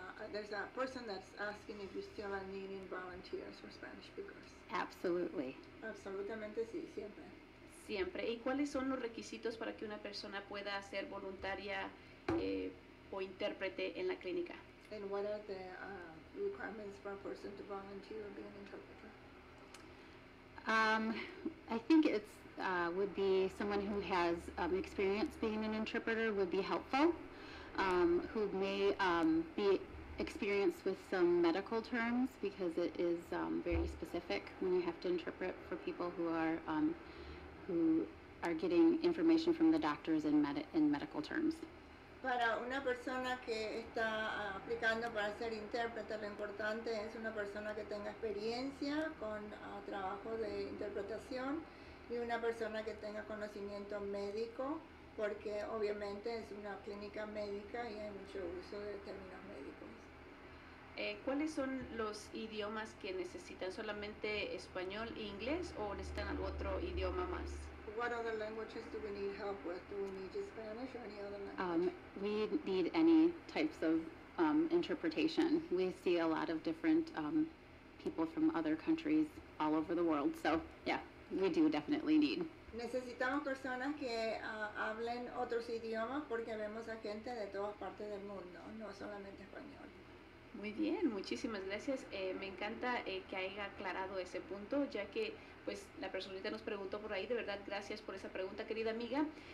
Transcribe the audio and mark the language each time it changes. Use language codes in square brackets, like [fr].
[en] There's a person that's asking if you're still needing volunteers for Spanish speakers. Absolutely. [es] Absolutamente sí, siempre. Siempre. ¿Y cuáles son los requisitos para que una persona pueda ser voluntaria o intérprete en la clínica? [en] And what are the requirements for a person to volunteer or be an interpreter? I think it's would be someone who has experience being an interpreter would be helpful. Who may be experienced with some medical terms, because it is very specific when you have to interpret for people who are getting information from the doctors in medical terms. [es] Para una persona que está aplicando para ser intérprete, lo importante es una persona que tenga experiencia con trabajo de interpretación y una persona que tenga conocimiento médico, porque obviamente es una clínica médica y hay mucho uso de términos médicos. ¿Cuáles son los idiomas que necesitan? ¿Solamente español e inglés o necesitan algún otro idioma más? [en] What other languages do we need help with? Do we need just Spanish or any other language? We need any types of interpretation. We see a lot of different people from other countries all over the world. So, yeah, we do definitely need. [es] Necesitamos personas que hablen otros idiomas porque vemos a gente de todas partes del mundo, no solamente español. Muy bien, muchísimas gracias. Me encanta que haya aclarado ese punto, ya que pues la personita nos preguntó por ahí. De verdad, gracias por esa pregunta, querida amiga.